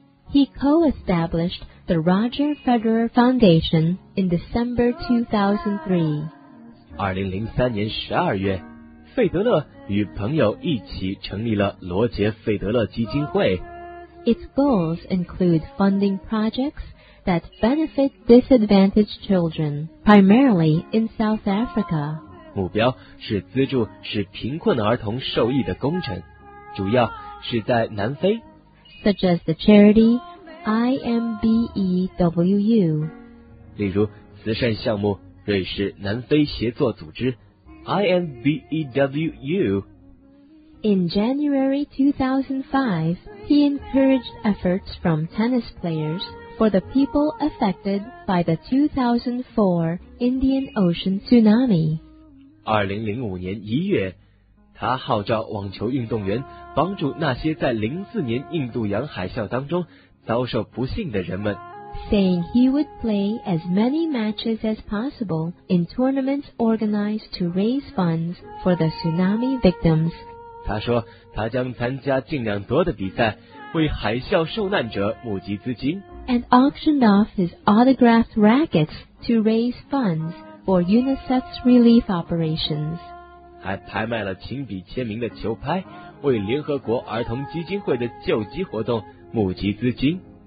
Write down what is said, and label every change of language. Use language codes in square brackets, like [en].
[en] He co-established the Roger Federer Foundation in December 2003. [zh] 2003年12月，费德勒与朋友一起成立了罗杰·费德勒基金会。 [en] Its goals include funding projects that benefit disadvantaged children, primarily in South Africa. [zh] 目标是资助使贫困儿童受益的工程，主要是在南非。 [en] Such as the charity IMBEWU. [zh] 例如慈善项目瑞士南非协作组织 IMBEWU. [en] In January 2005, he encouraged efforts from tennis players for the people affected by the 2004 Indian Ocean tsunami. [zh] 2005年1月他号召网球运动员帮助那些在04年印度洋海啸当中遭受不幸的人们 [en] saying he would play as many matches as possible in tournaments organized to raise funds for the tsunami victims [zh] 他说他将参加尽量多的比赛为海啸受难者募集资金 [en] and auctioned off his autographed rackets to raise funds for UNICEF's relief operations [zh] 还拍卖了亲笔签名的球拍为联合国儿童基金会的救济活动募集资金